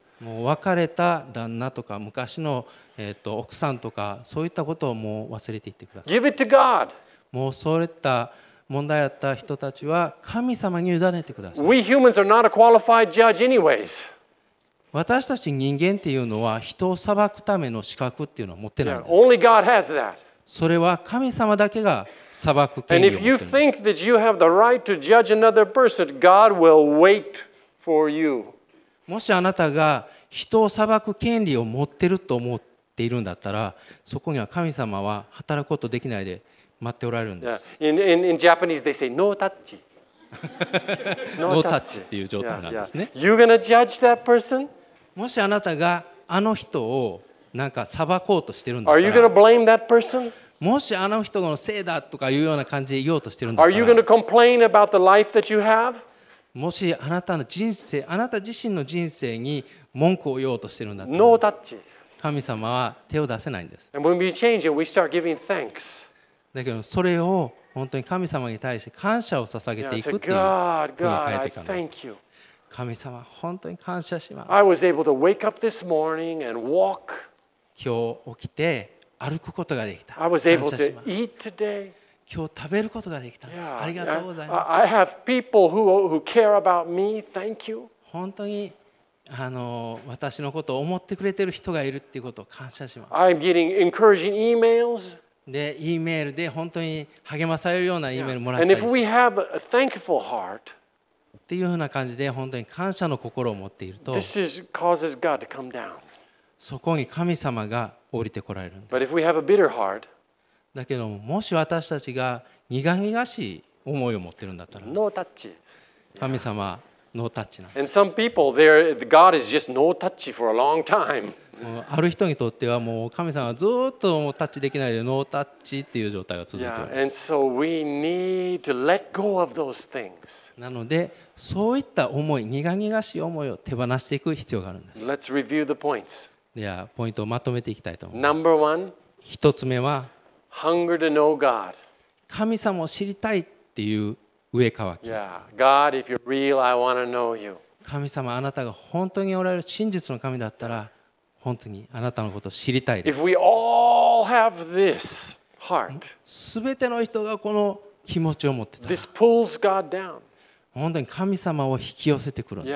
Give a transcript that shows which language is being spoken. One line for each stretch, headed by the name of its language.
Japanese: もう別れた旦那とか昔の奥さんとかそういったことをもう忘れていってください。
English: Give it to God.
Japanese: もうそういった問題だった人たちは神様に委ねてください。
English: We humans are not a qualified judge anyways.
Japanese: 私たち人間っていうのは人を裁くための資格っていうのは持ってないんです。
English: Yeah, only God has that.
Japanese: それは神様だけが裁く権利を持っている
English: And if you think that you have the right to judge another person, God will wait for you.
Japanese: もしあなたが人を裁く権利を持ってると思っているんだったら、そこには神様は働くことできないで待っておられるんです。
English: Yeah. In Japanese they say no touch. No touch
Japanese: っていう状態なんですね。
English: Yeah, yeah. You're gonna judge that person?
Japanese: もしあなたがあの人をなんか裁こうとしてるんだ
English: ったら、Are you gonna blame that person?
Japanese: もしあの人のせいだとかいうような感じで言おうとしてるんだ
English: ったら、Are you gonna complain about the life that you have?
Japanese: もしあなたの人生、あなた自身の人生に文句を言おうとしているんだったら、ノータッチ。神様は手を出せないんです。
English: And when we change it, we start giving thanks.
Japanese: だけどそれを本当に神様に対して感謝を捧げていくっていうふうに変えていかない。神様、本当に感謝します。
English: I was able to wake up this morning and walk.
Japanese: 今日起きて歩くことができた。
English: I was able to eat today.
Japanese: 今日食べることができたんです。 Yeah, ありがとうございます。
English: I have people who care about me. Thank you.
Japanese: 本当に私のことを思ってくれてる人がいるっていうことを感謝します。
English: I'm getting encouraging emails.
Japanese: で、E メールで本当に励まされるような E メールもらった
English: り。And if we have a thankful heart.
Japanese: っていうふうな感じで本当に感謝の心を持っていると、
English: This is causes God to come down.
Japanese: そこに神様が降りてこられるんです。
English: But if we have a bitter heart,
Japanese: だけどもし私たちが苦々しい思いを持っているんだったら、ノータッチ。神様、yeah. ノータッチなんです。
English: And some people, their God is just no touch for a long time.
Japanese: ある人にとってはもう神様はずっとタッチできないでノータッチっていう状態が続いています。
English: Yeah. And so we need to let go of those things.
Japanese: なのでそういった思い苦々しい思いを手放していく必要があるんです。
English: Let's review the points.
Japanese: ではポイントをまとめていきたいと思います。
English: Number one,
Japanese: 一つ目は
English: hunger to know God.
Japanese: 神様を知りたいっていう上渇き。
English: Yeah, God, if you're real, I want to know you.
Japanese: 神様、あなたが本当におられる真実の神だったら本当にあなたのことを知りたいです。
English: If we all have this heart,
Japanese: 全ての人がこの気持ちを持ってたら、
English: this pulls God down.
Japanese: 本当に神様を引き寄せてくるんです。